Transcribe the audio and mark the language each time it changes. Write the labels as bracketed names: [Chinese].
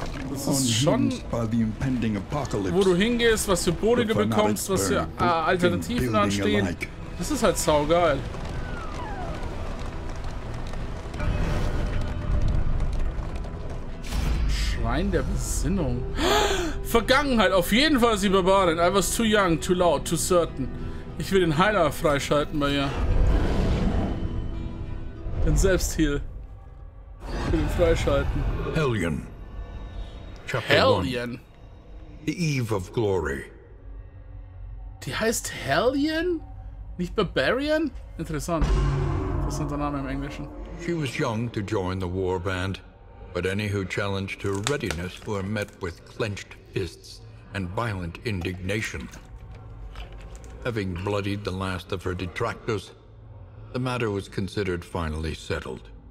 [German] Das ist schon, wo du hingehst, was für Boni du bekommst, was für Alternativen anstehen. Das ist halt saugeil. Schrein der Besinnung. Vergangenheit, auf jeden Fall, sie Barbarin. [English] I was too young, too loud, too certain. [German] Ich will den Heiler freischalten bei ihr. Den Selbstheal. Ich will ihn freischalten. Hellion. Hellion. [English] The Eve of Glory. [German] Die heißt Hellion? Nicht Barbarian? Interessant. Das ist der Name im Englischen. [English] She was young to join the war band, but any who challenged her readiness were met with clenched fists and violent indignation. Having bloodied the last of her detractors, the matter was considered finally settled.